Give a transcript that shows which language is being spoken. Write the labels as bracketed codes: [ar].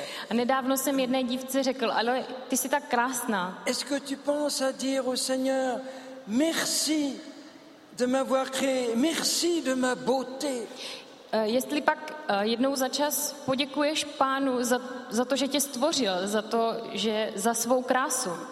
[cs] A nedávno jsem jedné dívce řekl, ale ty jsi tak krásná. [fr] Est-ce que tu penses à dire au Seigneur merci de m'avoir créé, merci de ma beauté? [cs] Jestli pak jednou za čas poděkuješ pánu za to, že tě stvořil, za to, že za svou krásu.